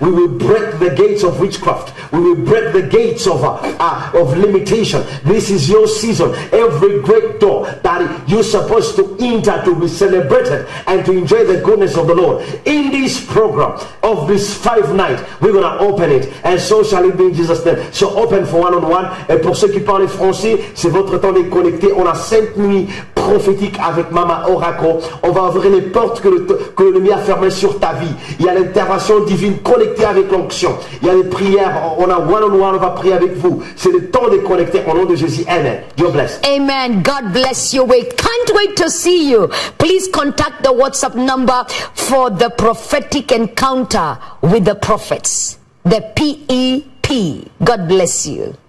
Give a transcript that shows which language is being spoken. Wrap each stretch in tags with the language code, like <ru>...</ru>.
<en>We will break the gates of witchcraft. We will break the gates of limitation. This is your season. Every great door that you're supposed to enter to be celebrated and to enjoy the goodness of the Lord. In this program of this 5 night, we're going to open it. And so shall it be in Jesus' name. So open for one-on-one.</en> <fr>Et pour ceux qui parlent français, c'est votre temps de connecter. On a 5 nuits prophétiques avec Mama Oracle. On va ouvrir les portes que l'ennemi a fermées sur ta vie. Il y a l'intervention divine. Connecté avec l'onction, il y a des prières. On a one-on-one, on va prier avec vous. C'est le temps de connecter au nom de Jésus. Amen. Dieu bless.</fr> <en>Amen. God bless you. We can't wait to see you. Please contact the WhatsApp number for the prophetic encounter with the prophets. The PEP. God bless you.</en>